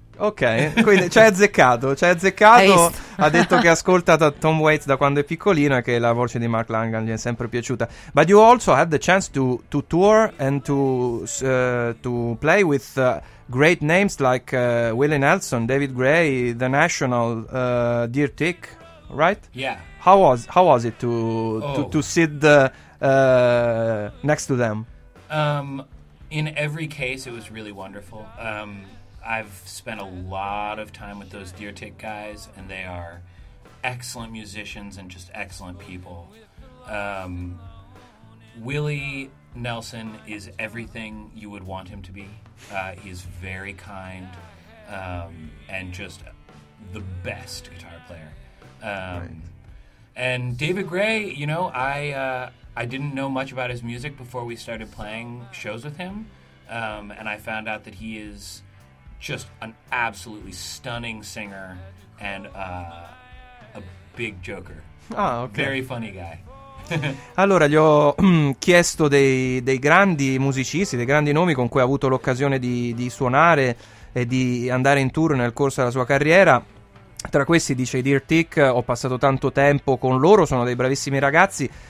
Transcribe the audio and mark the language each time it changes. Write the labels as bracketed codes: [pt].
[it] Ok, quindi ci hai azzeccato, ha detto che ascolta Tom Waits da quando è piccolino e che la voce di Mark Lanegan gli è sempre piaciuta. [en] But you also had the chance to tour and to play with great names like Willie Nelson, David Gray, The National, Dear Tick. Right? Yeah. How was it to sit next to them? In every case, it was really wonderful. I've spent a lot of time with those Deer Tick guys, and they are excellent musicians and just excellent people. Willie Nelson is everything you would want him to be. He's very kind and just the best guitar player. And David Gray, you know, I didn't know much about his music before we started playing shows with him, and I found out that he is just an absolutely stunning singer and a big joker. Ah, ok. Very funny guy. [it] Allora, gli ho chiesto dei grandi musicisti, dei grandi nomi con cui ha avuto l'occasione di suonare e di andare in tour nel corso della sua carriera. Tra questi dice i Dear Tick, ho passato tanto tempo con loro, sono dei bravissimi ragazzi.